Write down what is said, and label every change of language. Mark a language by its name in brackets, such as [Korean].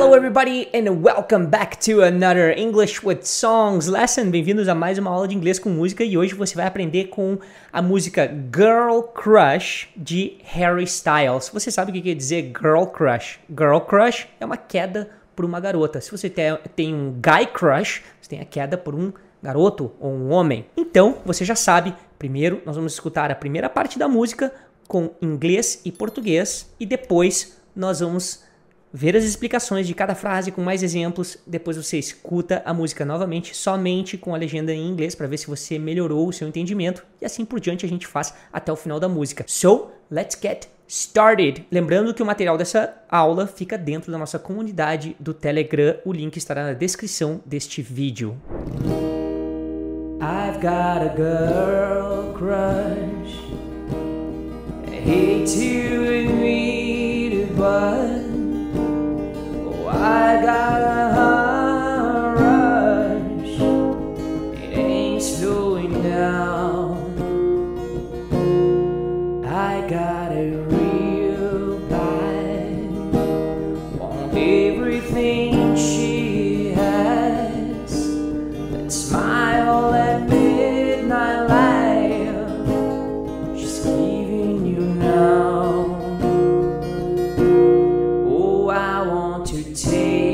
[English] Everybody, and welcome back to another English with Songs lesson. [Portuguese] Bem-vindos a mais uma aula de inglês com música e hoje você vai aprender com a música Girl Crush de Harry Styles. Você sabe o que quer dizer Girl Crush? Girl Crush é uma queda por uma garota. Se você tem um Guy Crush, você tem a queda por um garoto ou um homem. Então, você já sabe, primeiro nós vamos escutar a primeira parte da música com inglês e português e depois nós vamos ver as explicações de cada frase com mais exemplos, depois você escuta a música novamente, somente com a legenda em inglês, para ver se você melhorou o seu entendimento, e assim por diante a gente faz até o final da música. [English] So, let's get started! [Portuguese] Lembrando que o material dessa aula fica dentro da nossa comunidade do Telegram, o link estará na descrição deste vídeo. [English] I've got a girl crush, hate you and me to buy. I got a rush, it ain't slowing down. I got a real bad, want everything she has. That smile, that midnight laugh, she's leaving you now. Oh, I want to take